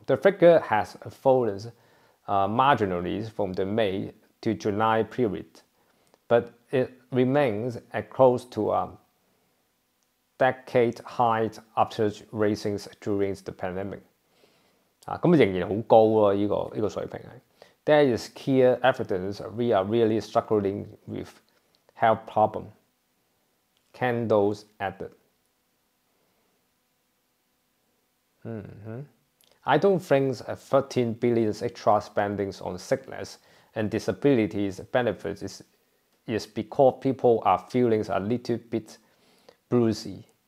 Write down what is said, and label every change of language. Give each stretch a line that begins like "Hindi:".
English: The figure has fallen marginally from the May to July period, but it remains at close to a decade high after raising during the pandemic.
Cantonese: 咁仍然好高喎，依個水平係。
English: There is clear evidence we are really struggling with health problem. Candles added. I don't think $13 billion extra spending on sickness and disabilities benefits is because people are feeling a little bit bruisey.